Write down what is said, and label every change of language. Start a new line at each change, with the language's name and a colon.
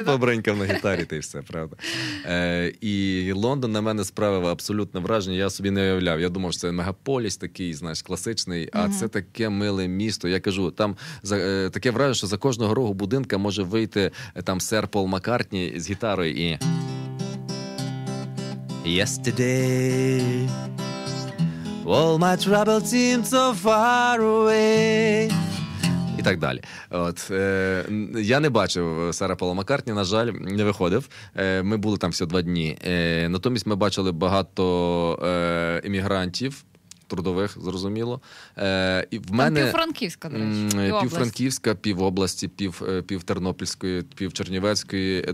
Ukrainian: побренька на гітарі, та й все, правда. І Лондон на мене справив абсолютне враження, я собі не уявляв. Я думав, що це мегаполіс такий, знаєш, класичний, а це таке миле місто. Я кажу, там таке враження, що за кожного рогу будинка може вийти там сер Пол Маккартні з гітарою і...
English: Yesterday all my troubles seemed so far away.
Ukrainian: І так далі. От, я не бачив Сера Пола Маккартні, на жаль, не виходив. Ми були там всього 2 дні. Натомість ми бачили багато іммігрантів трудових, зрозуміло. І в мене... Півфранківська, до речі. Півфранківська, півобласті, півтернопільської, півчернівецької.